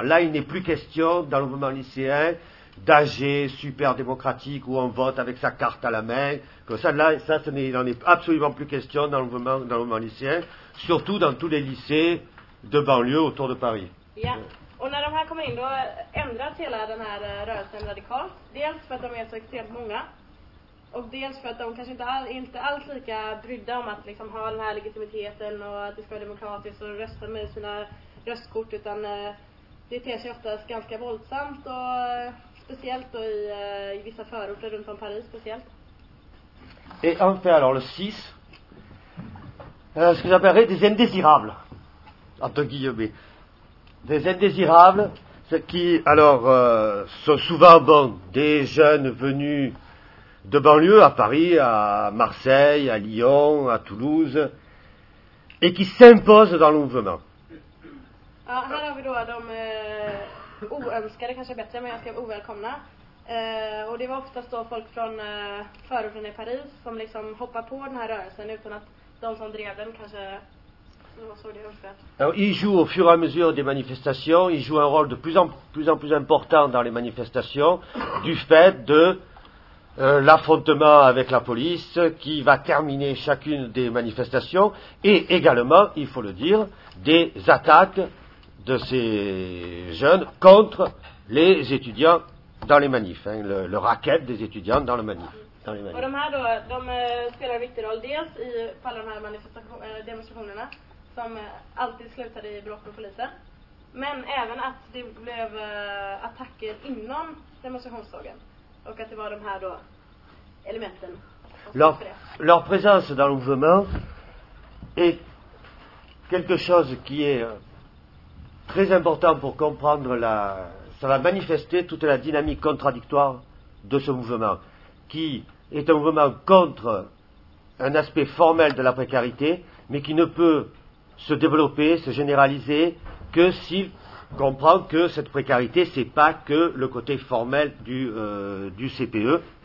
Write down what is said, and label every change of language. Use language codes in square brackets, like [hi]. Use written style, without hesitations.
[fr] Là, il n'est plus question, dans l'enlèvement lycéen, d'AG super démocratique où on vote avec sa carte à la main. Comme ça, là, ça, ce n'est, il n'en est absolument plus question dans l'enlèvement lycéen, surtout dans tous les lycées de banlieue autour de Paris. [sv] Och när de här kommer in, då ändras hela den här rörelsen radikalt. Dels för att de är så extremt många. Och dels för att de kanske inte alls lika brydda om att liksom ha den här legitimiteten och att det ska vara demokratiskt och rösta med sina röstkort, utan det ter sig oftast ganska våldsamt, och speciellt då i vissa förorter runt om Paris speciellt. [fr] Et enfin alors le 6, ce que j'appellerais des indésirables, entre guillemets. Des indésirables, ce qui, alors, sont souvent bon, des jeunes venus de banlieue, à Paris, à Marseille, à Lyon, à Toulouse, et qui s'imposent dans le mouvement. Alors, là, on a les [sv] oönskade, kanske bättre, [fr] mais je [sv] skrev ovälkomna. Och det var oftast då folk från förorten i Paris som liksom hoppade på den här rörelsen, utan att de som drev den kanske såg det önskvärt. [fr] Alors, ils jouent au fur et à mesure des manifestations, ils jouent un rôle de plus en plus important dans les manifestations du fait de l'affrontement avec la police qui va terminer chacune des manifestations, et également, il faut le dire, des attaques de ces jeunes contre les étudiants dans les manifs, hein, le racket des étudiants dans les manifs. Dans les manifs. [sv] Och de här då, de spelar en viktig roll dels i alla de här demonstrationerna som alltid slutade i bråk med polisen, men även att det blev attacker inom demonstrationsdagen, och att det var de här då elementen. [fr] Leur présence dans le mouvement est quelque chose qui est très important pour comprendre la... Ça va manifester toute la dynamique contradictoire de ce mouvement, qui est un mouvement contre un aspect formel de la précarité, mais qui ne peut se développer, se généraliser, que s'il comprend que cette précarité, ce n'est pas que le côté formel du CPE.